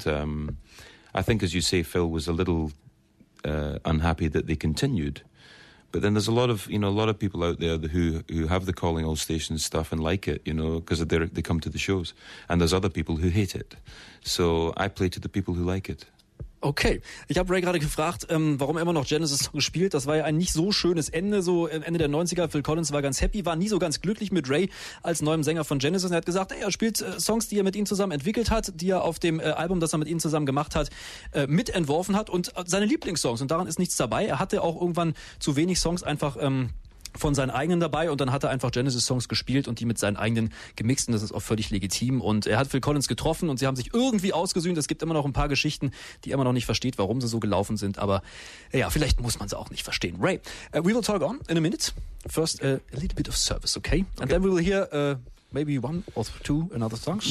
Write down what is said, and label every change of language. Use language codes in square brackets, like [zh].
[en] But I think, as you say, Phil was a little unhappy that they continued. But then there's a lot of people out there who have the Calling All Stations stuff and like it, you know, because they come to the shows. And there's other people who hate it. So I play to the people who like it. [de] Okay, ich habe Ray gerade gefragt, warum er immer noch Genesis gespielt. Das war ja ein nicht so schönes Ende, so Ende der 90er. Phil Collins war ganz happy, war nie so ganz glücklich mit Ray als neuem Sänger von Genesis. Er hat gesagt, er spielt Songs, die er mit ihnen zusammen entwickelt hat, die er auf dem Album, das er mit ihnen zusammen gemacht hat, mitentworfen hat und seine Lieblingssongs. Und daran ist nichts dabei. Er hatte auch irgendwann zu wenig Songs einfach von seinen eigenen dabei und dann hat er einfach Genesis-Songs gespielt und die mit seinen eigenen gemixt und das ist auch völlig legitim und er hat Phil Collins getroffen und sie haben sich irgendwie ausgesühnt. Es gibt immer noch ein paar Geschichten, die er immer noch nicht versteht, warum sie so gelaufen sind, aber ja, vielleicht muss man sie auch nicht verstehen. [en] Ray, we will talk on in a minute. First, a little bit of service, okay? Okay. And then we will hear maybe one or two another songs.